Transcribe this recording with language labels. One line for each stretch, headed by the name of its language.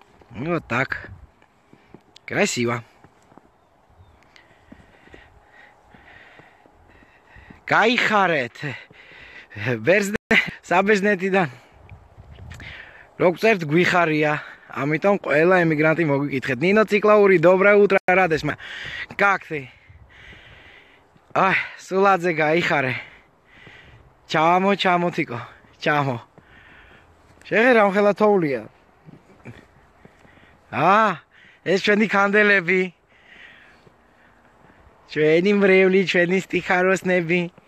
Russian: Вот так. Красиво.
Georgian: გაიხარეთ საბერძნეთიდან. როგწერთ გვიხარია, ამიტომ ყველა ემიგრანტი მოგიკითხეთ.
Russian: ნინო ციკლაური, добра утро, радесма. Как ты?
Georgian: Ай, სულაძე გაიხარე. ჩამო, ჩამო თიკო, ჩამო. შეიძლება ამხელა თოვლია. აა, ეს ჩვენი კანდელები. ჩვენი მრევლი, ჩვენი სტიხაროსნები.